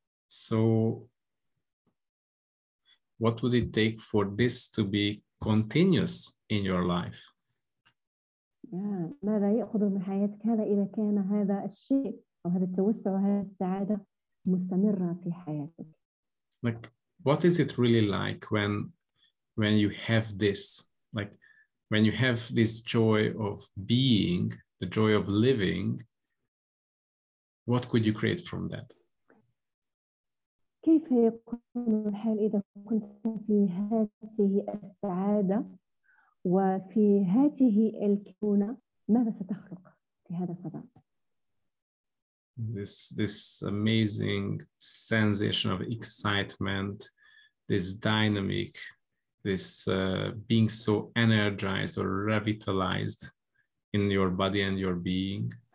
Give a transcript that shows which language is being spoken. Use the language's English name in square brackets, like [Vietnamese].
[English] So what would it take for this to be continuous in your life? [Arabic] ماذا يأخذ من حياتك هذا إذا كان هذا الشيء أو هذا التوسع أو هذه السعادة مستمرة في حياتك؟ [English] Like, what is it really like when you have this? Like, when you have this joy of being, the joy of living, what could you create from that? [Arabic] كيف يكون الحال إذا كنت في هذه السعادة وفي هذه الكونة، ماذا ستخلق في هذا الفضاء؟ [English] This amazing sensation of excitement, this dynamic, this being so energized or revitalized in your body and your being.